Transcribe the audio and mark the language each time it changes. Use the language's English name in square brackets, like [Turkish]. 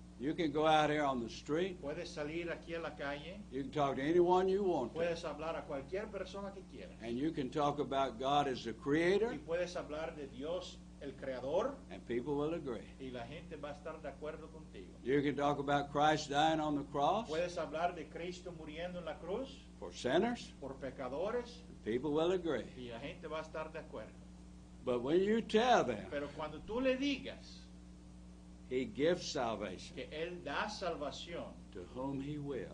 [English] You can go out here on the street. [Spanish] Puedes salir aquí a la calle. [English] You can talk to anyone you want. [Spanish] Puedes hablar a cualquier persona que quieras. [English] And you can talk about God as the creator. [Spanish] Y puedes hablar de Dios el creador. [English] And people will agree. [Spanish] Y la gente va a estar de acuerdo contigo. [English] You can talk about Christ dying on the cross. [Spanish] Puedes hablar de Cristo muriendo en la cruz. [English] For sinners. [Spanish] Por pecadores. [English] And people will agree. [Spanish] Y la gente va a estar de acuerdo. [English] But when you tell them. [Spanish] Pero cuando tú le digas. [English] He gives salvation. [Spanish] Que él da salvación. [English] To whom he will.